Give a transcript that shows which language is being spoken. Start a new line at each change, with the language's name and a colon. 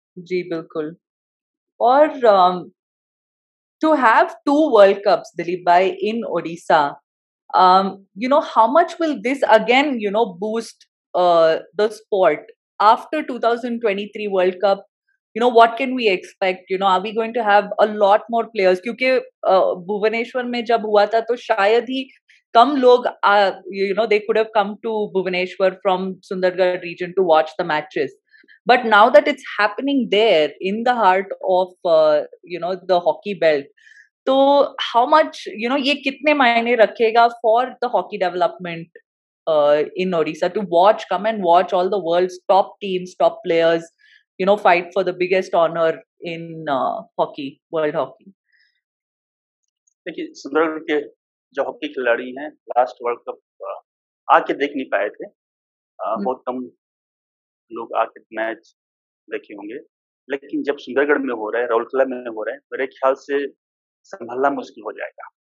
Hindi: जी बिल्कुल.
English: और to have two world cups Dilip भाई in Odisha, you know how much will this again you know boost the sport after 2023 world cup? You know, what can we expect? You know, are we going to have a lot more players? Because Bhubaneswar
Hindi: mein jab hua tha, to shayad hi kam log,
English: they could have come to Bhubaneswar from Sundargarh region to watch the matches. But now that it's happening there in the heart of, the hockey belt, so how much,
Hindi: ye kitne maayne rakhega
English: for the hockey development in Odisha to watch, come and watch all the world's top teams, top players, you know, fight for the biggest honor in hockey, world hockey.
Hindi: देखिए सुंदरगढ़ के जो hockey खिलाड़ी हैं last world cup आके देख नहीं पाए थे, बहुत कम लोग आके मैच देखे होंगे, लेकिन जब सुंदरगढ़ में हो रहा है, राउरकेला में हो रहा है, मेरे ख्याल से संभालना मुश्किल हो जाएगा.